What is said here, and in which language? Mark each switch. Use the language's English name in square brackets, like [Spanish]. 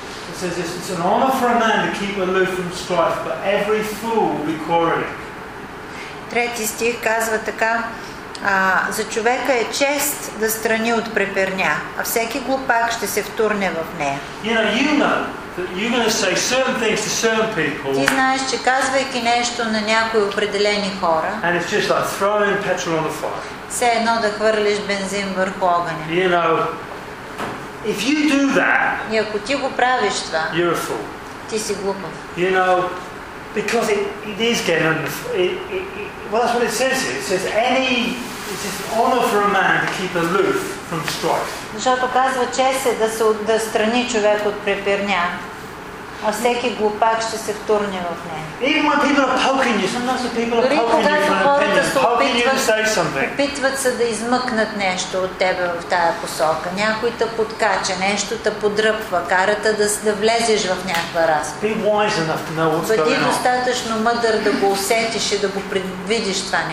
[English] It says this, it's an honor for a man to keep aloof from strife, but every fool will be quarreling. [Bulgarian] Трети стих казва така, за човека е чест да страни от преперня, а всеки глупак ще се втурне в нея. [English] You know, you know. You're going to say certain things to certain people. [Bulgarian] Ти знаеш, че казвайки нещо на някои определени хора. [English] And it's just like throwing petrol on the fire. [Bulgarian] Все едно да хвърлиш бензин върху огъня. [English] You know, if you do that, [Bulgarian] и ако ти го правиш това, [English] you're a fool. [Bulgarian] Ти си глупав. [English] You know, because it is getting under. That's what it says here. It says any. It's an honor for a man to keep aloof from strife. [Bulgarian] Защото казва чест е да се отстрани човек от преперня. А всеки глупак ще се втурне в нея. Even when people are poking you, sometimes the people are poking you for an opinion. Опитват се да измъкнат нещо от тебе в тая посока. Някой те подкача, нещо те подръпва, кара те да влезеш в някаква разлика. Бъди достатъчно мъдър да го усетиш и да го предвидиш това